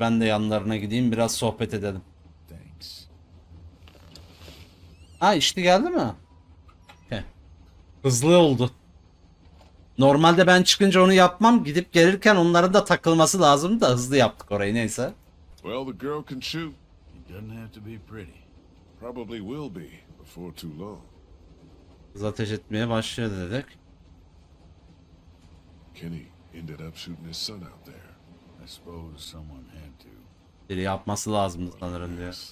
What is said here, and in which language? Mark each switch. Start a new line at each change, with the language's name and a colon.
Turkish: Ben de yanlarına gideyim biraz sohbet edelim. Ha işte geldi mi? Hızlı oldu. Normalde ben çıkınca onu yapmam. Gidip gelirken onların da takılması lazım da hızlı yaptık orayı neyse.
English: Well, the girl can shoot. She doesn't have to be pretty. Probably will be before too long.
Turkish: Hız ateş etmeye başlıyor dedik.
English: Kenny ended up shooting his son out there. I suppose someone had to.
Turkish: Biri yapması lazımdı sanırım diye.